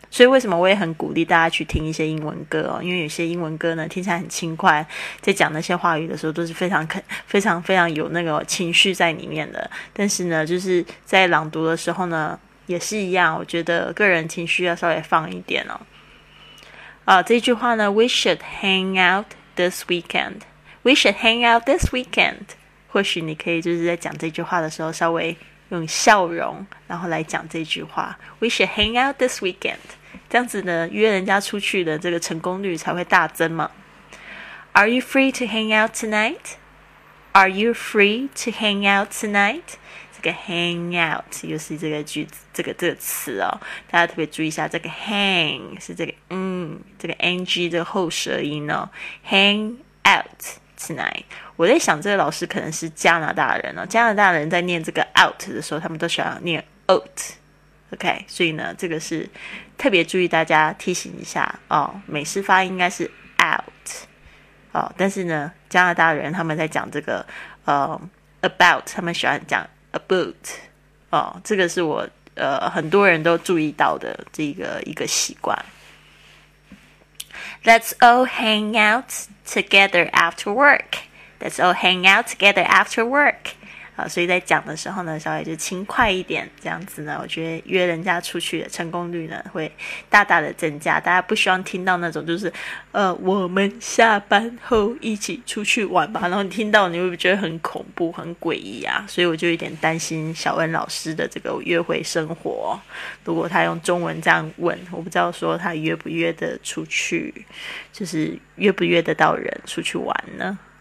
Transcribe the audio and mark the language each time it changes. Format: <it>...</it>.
<zh>所以为什么我也很鼓励大家去听一些英文歌哦，因为有些英文歌呢听起来很轻快，在讲那些话语的时候都是非常非常非常有那个情绪在里面的，但是呢就是在朗读的时候呢也是一样，我觉得个人情绪要稍微放一点哦。这句话呢</zh> <en>We should hang out this weekend. We should hang out this weekend.</en> <zh>或许你可以就是在讲这句话的时候稍微用笑容然后来讲这句话。</zh> <en>We should hang out this weekend.</en> <zh>这样子呢约人家出去的这个成功率才会大增嘛。</zh> <en>Are you free to hang out tonight? Are you free to hang out tonight?</en> <zh>这个 hang out 又是这个句子这个词哦，大家特别注意一下，这个 hang 是这个这个 ng 的后舌音哦。</zh> <en>Hang out tonight，</en> <zh>我在想这个老师可能是加拿大人哦，加拿大人在念这个 out 的时候，他们都喜欢念 out。 OK， 所以呢，这个是特别注意大家提醒一下哦，美式发音应该是 out 哦，但是呢，加拿大人他们在讲这个about， 他们喜欢讲。 About 哦，这个是我很多人都注意到的这个一个习惯。</zh> <en>Let's all hang out together after work. Let's all hang out together after work.</en> <zh>好，所以在讲的时候呢，稍微就轻快一点，这样子呢，我觉得约人家出去的成功率呢会大大的增加。大家不希望听到那种就是我们下班后一起出去玩吧，然后你听到你会不会觉得很恐怖很诡异啊，所以我就有点担心小恩老师的这个约会生活，如果他用中文这样问，我不知道说他约不约的出去，就是约不约得到人出去玩呢。</zh>